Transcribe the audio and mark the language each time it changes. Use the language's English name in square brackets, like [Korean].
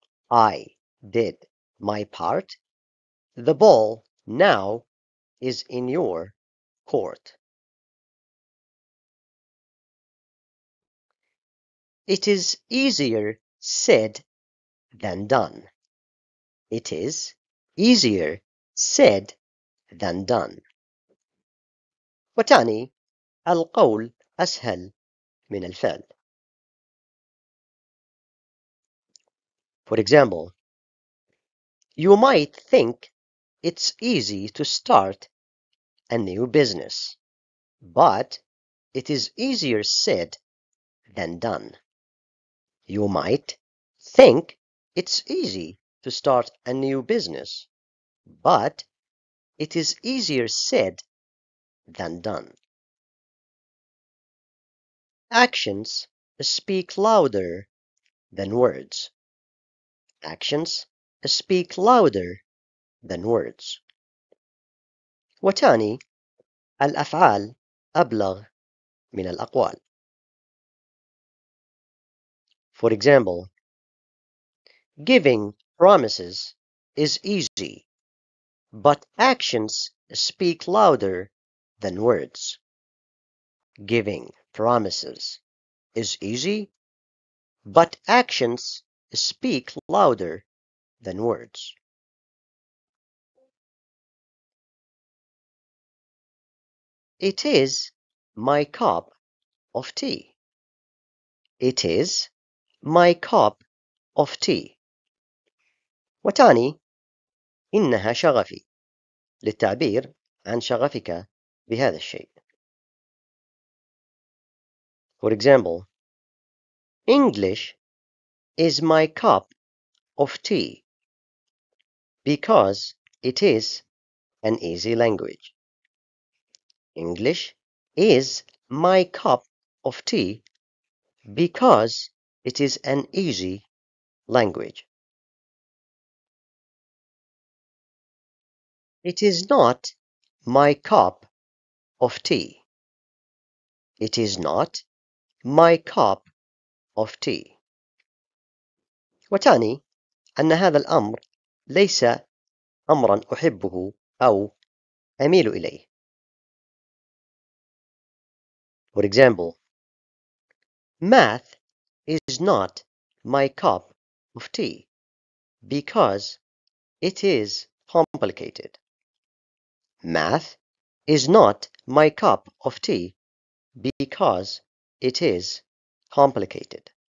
[English] I did my part. The ball now is in your court. It is easier said than done. It is easier said than done. [Arabic] وتعني القول أسهل من الفعل. [English] For example, you might think it's easy to start a new business, but It is easier said than done. You might think it's easy to start a new business, but it is easier said than done. Actions speak louder than words. Actions speak louder than words. [Arabic] وتاني الأفعال أبلغ من الأقوال. [English] For example, giving promises is easy, but actions speak louder than words. Giving promises is easy, but actions speak louder than words. It is my cup of tea. It is my cup of tea. [Arabic] وتاني إنها شغفي للتعبير عن شغفك بهذا الشيء. [English] For example, English is my cup of tea because it is an easy language. English is my cup of tea because it is an easy language. It is not my cup of tea. It is not my cup of tea. [Arabic] وتعني أن هذا الأمر ليس أمرا أحبه أو أميل إليه. [English] For example, math is not my cup of tea because it is complicated. Math is not my cup of tea because it is complicated.